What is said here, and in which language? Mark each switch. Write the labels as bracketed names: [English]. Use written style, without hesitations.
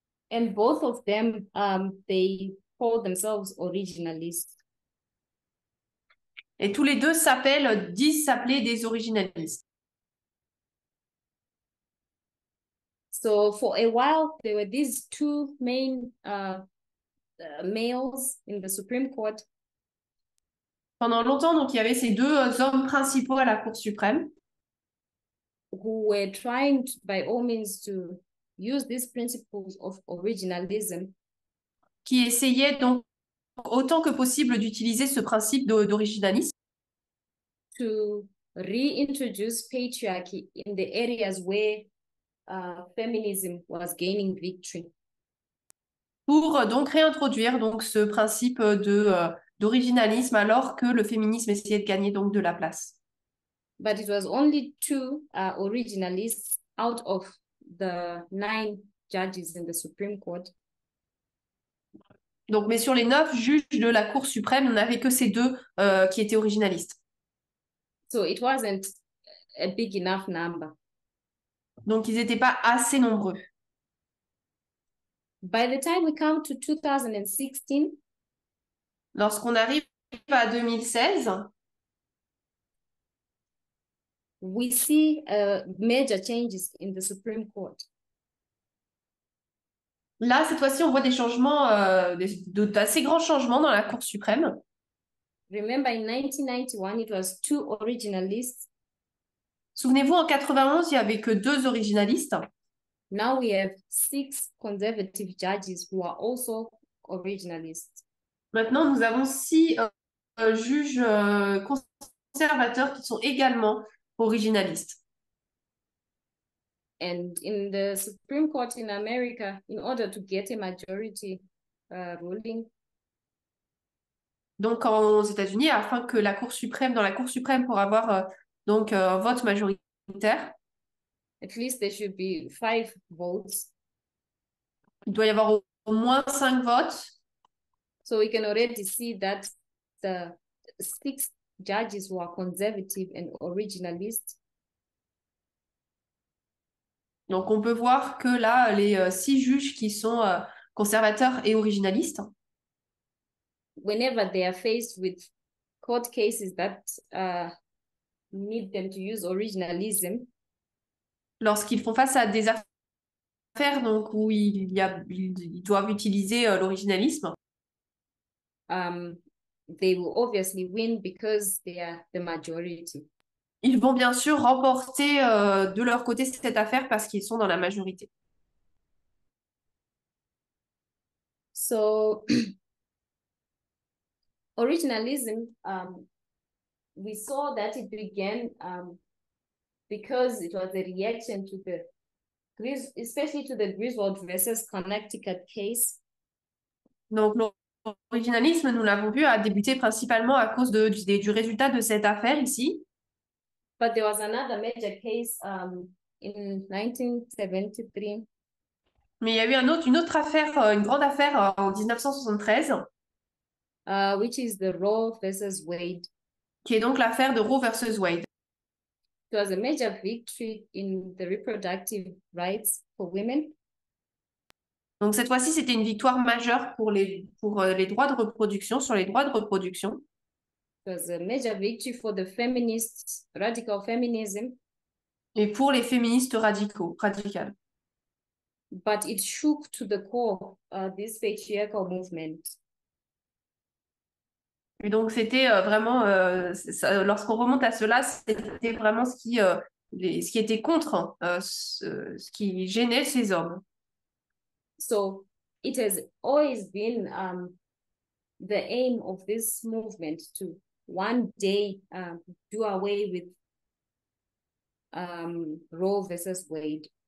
[English] And both of them, they call themselves originalists. [French] Et tous les deux s'appellent, disent s'appeler des originalistes. [English] So for a while, there were these two main males in the Supreme Court. [French] Pendant longtemps, donc, il y avait ces deux hommes principaux à la Cour suprême. [English] Who were trying to, by all means to use these principles of originalism. [French] Qui essayaient donc autant que possible d'utiliser ce principe d'originalisme. [English] To reintroduce patriarchy in the areas where feminism was gaining victory. [French] Pour donc réintroduire donc ce principe d'originalisme alors que le féminisme essayait de gagner donc de la place. [English] But it was only two originalists out of the nine judges in the Supreme Court. [French] Donc, mais sur les 9 juges de la Cour suprême, on n'avait que ces deux qui étaient originalistes. [English] So it wasn't a big enough number. [French] Donc, ils n'étaient pas assez nombreux. [English] By the time we come to 2016, [French] Lorsqu'on arrive à 2016, [English] we see major changes in the Supreme Court. [French] là, cette fois-ci, on voit des changements, d'assez grands changements dans la Cour suprême. [English] Remember in 1991, it was two originalists. [French] Souvenez-vous, en 91, il n'y avait que deux originalistes. [English] Now we have six conservative judges who are also originalists. [French] Maintenant, nous avons six juges conservateurs qui sont également originalistes. [English] And in the Supreme Court in America, in order to get a majority ruling. [French] Donc, aux États-Unis, afin que la Cour suprême, dans la Cour suprême, pour avoir donc un vote majoritaire, [English] At least there should be five votes. [French] il doit y avoir au moins 5 votes. [English] So we can already see that the six judges were conservative and originalist. [French] Donc, on peut voir que là, les 6 juges qui sont conservateurs et originalistes. [English] Whenever they are faced with court cases that need them to use originalism. [French] Lorsqu'ils font face à des affaires donc, où ils doivent utiliser l'originalisme. [English] They will obviously win because they are the majority. [French] Ils vont bien sûr remporter de leur côté cette affaire parce qu'ils sont dans la majorité. [English] So, originalism, we saw that it began because it was a reaction to the Gris especially to the Griswold versus Connecticut case. [French] Donc, l'originalisme, nous l'avons vu, a débuté principalement à cause du résultat de cette affaire ici. [English] But there was another major case in 1973. [French] Mais il y a eu une autre affaire, une grande affaire en 1973, [English] Which is the Roe versus Wade. [French] qui est donc l'affaire de Roe versus Wade. [English] It was a major victory in the reproductive rights for women. [French] Donc cette fois-ci, c'était une victoire majeure pour les droits de reproduction, sur les droits de reproduction. [English] It was a major victory for the feminists, radical feminism. [French] Et pour les féministes radicales. [English] But it shook to the core this patriarchal movement. [French] Et donc c'était vraiment, lorsqu'on remonte à cela, c'était vraiment ce qui était contre, ce qui gênait ces hommes. [English] So it has always been the aim of this movement to one day do away with Roe versus Wade.